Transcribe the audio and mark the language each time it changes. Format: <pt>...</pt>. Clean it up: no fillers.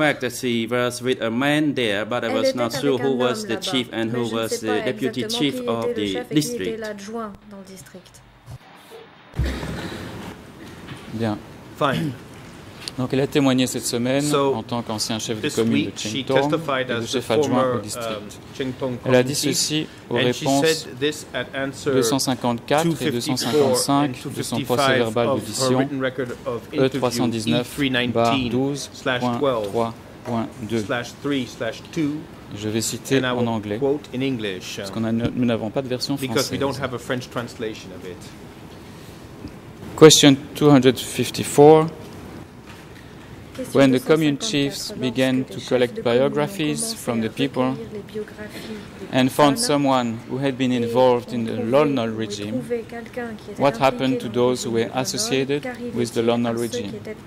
<en>in fact, she was with a man there, but I was not sure who was the chief and who was the deputy chief of the district.</en> <fr>Bien.</fr> <en>Fine.</en> <fr>Donc elle a témoigné cette semaine en tant qu'ancien chef de commune de Qingtong, le chef adjoint au district. Elle a dit ceci aux réponses 254 et 255 de son procès-verbal d'audition E319-12.3.2. Je vais citer en anglais, parce que nous n'avons pas de version française.</fr> <en>Because we don't have a French translation of it. Question 254. When the commune chiefs began to collect biographies from the people and found someone who had been involved in the Lon Nol regime, what happened to those who were associated with the Lon Nol regime?</en>